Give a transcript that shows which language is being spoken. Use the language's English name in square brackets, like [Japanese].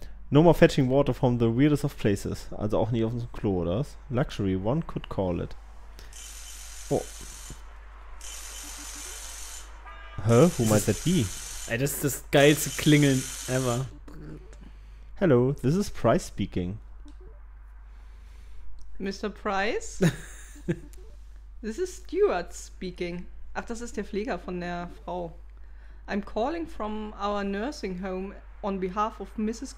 [English] No more fetching water from the weirdest of places. [German] Also auch nicht auf dem Klo, oder was? [English] Luxury, one could call it. Oh. Huh? Who might that be? [German] Ey, das ist das geilste Klingeln ever. [English] Hello, this is Price speaking. Mr. Price? This is Stuart speaking. [German] Ach, das ist der Pfleger von der Frau. [English] I'm calling from our nursing home on behalf of Mrs.